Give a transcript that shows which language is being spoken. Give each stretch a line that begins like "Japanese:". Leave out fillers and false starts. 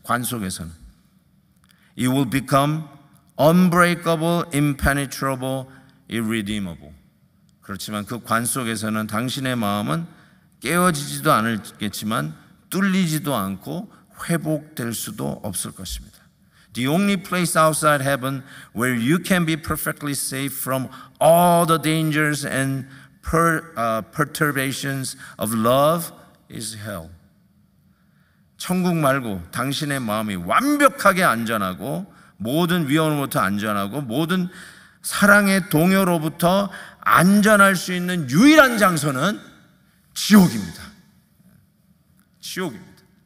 Korean: 관 속에서는.
English: It will become unbreakable, impenetrable, irredeemable.
Korean: 그렇지만 그 관 속에서는 당신의 마음은 깨어지지도 않겠지만 뚫리지도 않고 회복될 수도 없을 것입니다.
English: The only place outside heaven where you can be perfectly safe from all the dangers and perturbations of love is hell.
Korean: 천국 말고 당신의 마음이 완벽하게 안전하고 모든 위험으로부터 안전하고 모든 사랑의 동요로부터 안전할 수 있는 유일한 장소는 지옥입니다. 지옥입니다.